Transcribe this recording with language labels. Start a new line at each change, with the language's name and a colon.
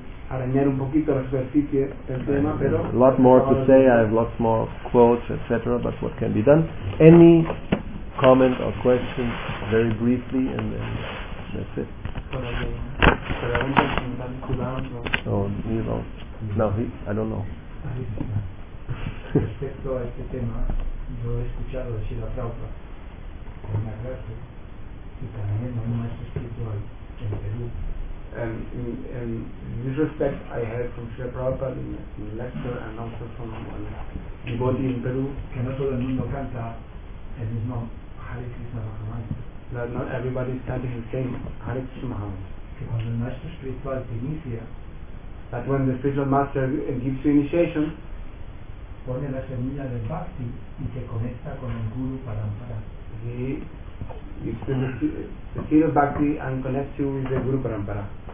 Spanish: Arañar un poquito la superficie del tema, pero
English: a lot more to say, I have lots more quotes, etc., but what can be done? Any comment or question, very briefly, and then that's it. Oh, you don't. No, I don't know.
Spanish: Respecto a este tema, yo he escuchado decir la flauta con la gracia y también no me ha escrito en Perú.
English: And in this respect, I heard from Srila Prabhupada in the lecture and also from a devotee in Peru
Spanish: que no todo el mundo canta el mismo Hare Krishna Mahamantra.
English: That not everybody is chanting the same Hare Krishna Mahamantra.
Spanish: Que cuando el maestro espiritual te inicia,
English: that when the spiritual master gives you initiation,
Spanish: pone la semilla del bhakti y te conecta con el guru parampara.
English: It's the seed of bhakti and connects you with the Guru Parampara.